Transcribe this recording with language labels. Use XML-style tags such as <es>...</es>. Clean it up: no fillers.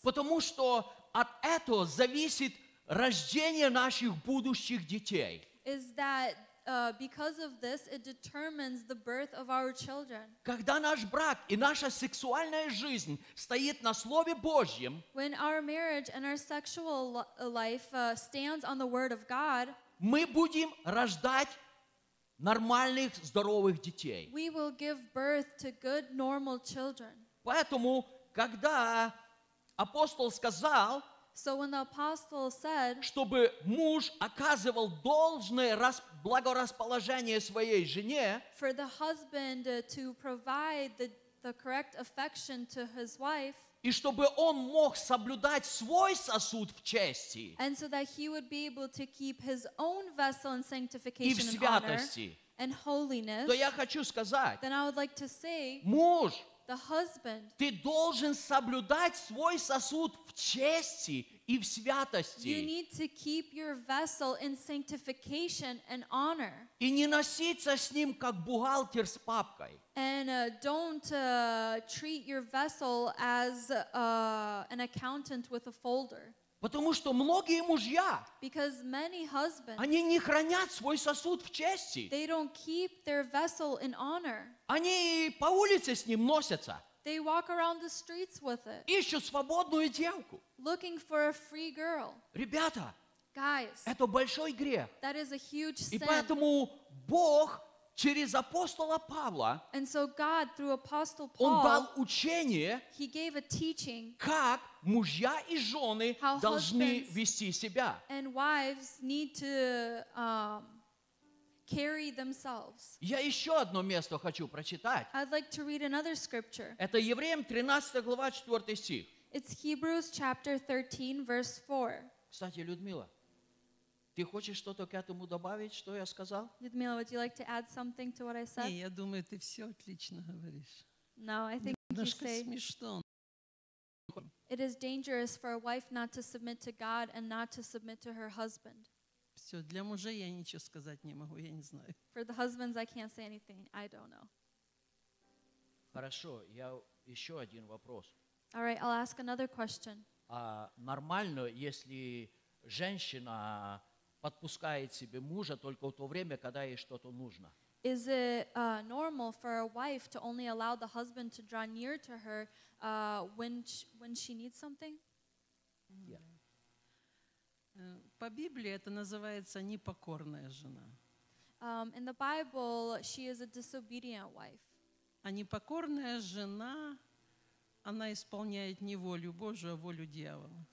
<ru>Потому что от этого зависит рождение наших будущих детей.</ru> <en>Is that because of this, it determines the birth of our children.</en> <ru>Когда наш брак и наша сексуальная жизнь стоит на Слове Божьем,</ru> <en>when our marriage and our sexual life stands on the word of God,</en> <ru>мы будем рождать нормальных, здоровых детей.</ru> <en>We will give birth to good, normal children.</en> <ru>Поэтому, когда апостол сказал,</ru> <en>so when the apostle said,</en> <ru>чтобы муж оказывал должное благорасположение своей жене,</ru> <en>for the husband to provide the correct affection to his wife,</en> <ru>и чтобы он мог соблюдать свой сосуд в чести</ru> <en>and so that he would be able to keep his own vessel in sanctification</en> <ru>и в святости,</ru> <en>and holiness,</en> <ru>то я хочу сказать,</ru> <en>then I would like to say,</en> <ru>муж,</ru> <en>the husband,</en> <ru>ты должен соблюдать свой сосуд в чести и в святости</ru> <en>you need to keep your vessel in sanctification and honor,</en> <ru>и не носиться с ним, как бухгалтер с папкой.</ru> <en>And don't treat your vessel as an accountant with a folder.</en> <ru>Потому что многие мужья,</ru> <en>Because many husbands,</en> <ru>они не хранят свой сосуд в чести.</ru> <en>They don't keep their vessel in honor.</en> <ru>Они по улице с ним носятся.</ru> <en>They walk around the streets with it.</en> <ru>Ищут свободную девку.</ru> <en>Looking for a free girl.</en> <ru>Ребята,</ru> <en>Guys,</en> <ru>это большой грех.</ru> <en>That is a huge sin.</en> <ru>И поэтому Бог Через апостола Павла</ru> <en>And so God, through Apostle Paul,</en> <ru>он дал учение,</ru> <en>he gave a teaching,</en> <ru>как мужья и жены должны вести себя.</ru> <en>And wives need to, carry themselves.</en> <ru>Я еще одно место хочу прочитать.</ru> <en>I'd like to read another scripture.</en> <ru>Это Евреям 13 глава 4 стих.</ru> <en>It's Hebrews chapter 13, verse 4.</en> <ru>Кстати, Людмила. Ты хочешь что-то к этому добавить, что я сказал?</ru> <en>Людмила, would you like to add something to what I said?</en> <ru>Не, я думаю, ты все отлично говоришь.</ru> <en>No, I think</en> <ru>Немножко</ru> <en>you say...</en> <ru>смешно.</ru> <en>It is dangerous for a wife not to submit to God and not to submit to her husband.</en> <ru>Все, для мужей я ничего сказать не могу, я не знаю.</ru> <en>For the husbands, I can't say anything. I don't know.</en> <ru>Хорошо, я еще один вопрос.</ru> <en>All right, I'll ask another question.</en> <ru>А нормально, если женщина... подпускает себе мужа только в то время, когда ей что-то нужно.</ru> <en>Is it normal for a wife to only allow the husband to draw near to her when she needs something?</en> <ru>По Библии это называется непокорная жена.</ru> <en>In the Bible, she is a disobedient wife.</en> <ru>А непокорная жена, она исполняет не волю Божию, а волю дьявола.</ru>